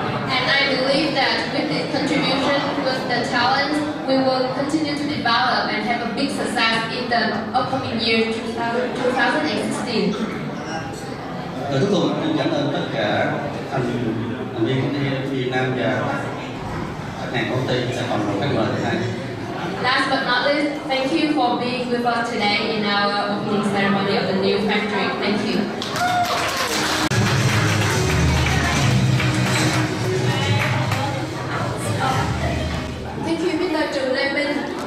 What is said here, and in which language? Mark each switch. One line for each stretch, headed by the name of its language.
English: and I believe that with this contribution, with the talent, we will continue to develop and have a big success in the upcoming year 2016.
Vietnamese: Chúng tôi cũng xin cảm ơn tất cả thành viên công ty Việt Nam và khách hàng công ty đã còn một khách mời hôm nay.
English: Last but not least, thank you for being with us today in our opening ceremony of the new factory. Thank you. Thank you, Mr. Chu Lê Minh.